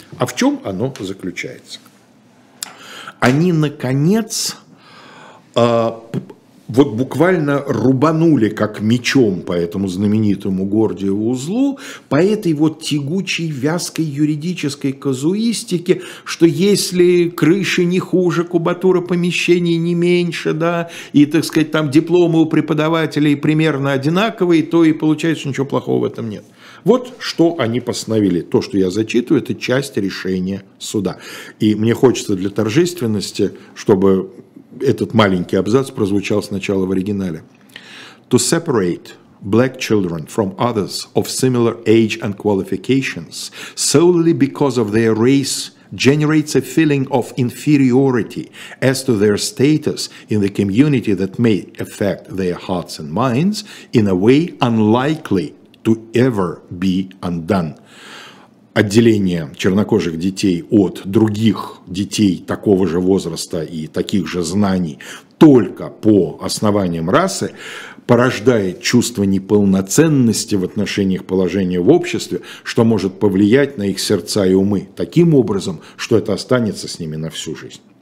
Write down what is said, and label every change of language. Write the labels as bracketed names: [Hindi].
[Russian] А в чем оно заключается? Они, наконец, вот буквально рубанули как мечом по этому знаменитому Гордиеву узлу, по этой вот тягучей, вязкой юридической казуистике, что если крыши не хуже, кубатура помещений не меньше, да, и, так сказать, там дипломы у преподавателей примерно одинаковые, то и получается, ничего плохого в этом нет. Вот что они постановили. То, что я зачитываю, это часть решения суда. И мне хочется для торжественности, чтобы... Этот маленький абзац прозвучал сначала в оригинале. [English] To separate black children from others of similar age and qualifications solely because of their race, generates a feeling of inferiority as to their status in the community that may affect their hearts and minds in a way unlikely to ever be undone. [Russian] Отделение чернокожих детей от других детей такого же возраста и таких же знаний только по основаниям расы порождает чувство неполноценности в отношениях положения в обществе, что может повлиять на их сердца и умы таким образом, что это останется с ними на всю жизнь.